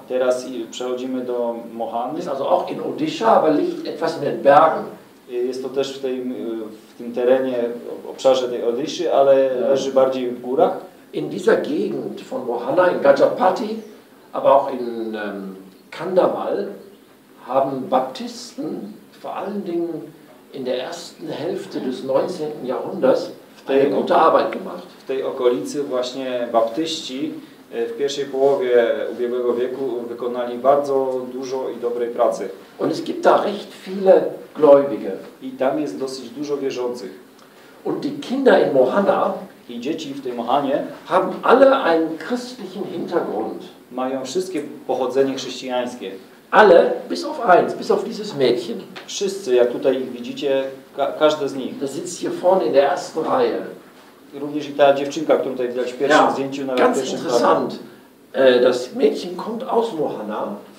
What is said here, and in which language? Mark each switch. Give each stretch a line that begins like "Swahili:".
Polish: Teraz przechodzimy do Mohany. Jest
German: also auch in Odisha, aber liegt etwas in den Bergen.
Polish: Jest to też w tym terenie, w obszarze tej Odiszy, ale leży bardziej w górach.
German: In dieser Gegend von Mohana, in Gajapati, aber auch in Kandamal, haben Baptisten vor allen Dingen in der ersten Hälfte des 19. Jahrhunderts eine gute Arbeit gemacht.
Polish: W tej okolicy właśnie Baptyści w pierwszej połowie ubiegłego wieku wykonali bardzo dużo i dobrej pracy.
German: Und es gibt da recht viele Gläubige.
Polish: I tam jest dosyć dużo wierzących.
German: Und die Kinder in Mohana,
Polish: i dzieci w tej Mohanie,
German: haben alle einen christlichen Hintergrund.
Polish: Mają wszystkie pochodzenie chrześcijańskie.
German: Alle, bis auf eins, bis auf dieses Mädchen.
Polish: Wszyscy, jak tutaj ich widzicie, każde z nich.
German: Das sitzt hier vorne in der ersten Reihe.
Polish: Również i ta dziewczynka, którą tutaj widać w pierwszym zdjęciu, na pierwszym planie.
German: Ganz interessant. Das Mädchen kommt aus Mohana.